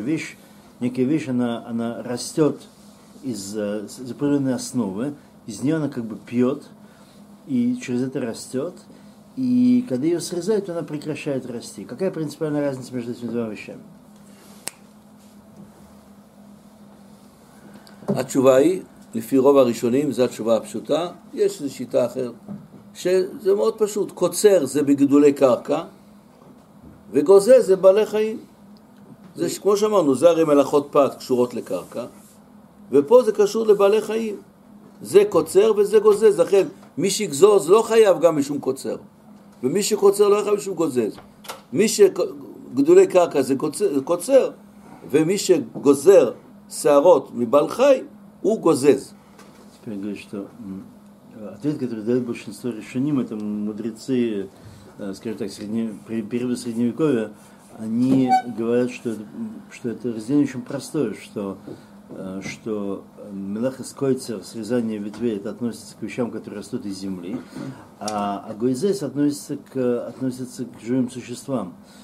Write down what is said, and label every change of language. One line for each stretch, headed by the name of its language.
Russian: Вещь, некая вещь, она растет из определенной основы, из нее она как бы пьет, и через это растет, и когда ее срезают, она прекращает расти. Какая принципиальная разница между этими двумя вещами?
Hebrew: התשובה היא, לפי רוב הראשונים, זו התשובה הפשוטה, יש איזו שיטה אחרת, שזה מאוד פשוט, קוצר זה בגידולי קרקע, וגוזז זה בעלי חיים. זה כמו שאמרנו, זה הרי מלאכות פת קשורות לקרקע, ופה זה קשור לבעלי חיים. זה קוצר וזה גוזז, לכן מי שיגזוז לא חייב גם משום קוצר, ומי שקוצר לא חייב משום גוזז. מי שגידולי קרקע זה קוצר, ומי שגוזר, שערות מבעל חי, הוא גוזז.
Russian: Теперь говорит, что ответ, который дает большинство решеним, это мудрецы, скажем так, первого средневековья, они говорят, что это разделение очень простое, что мелахес койцер, срезание ветвей, это относится к вещам, которые растут из земли, а гойзес относится к живым существам.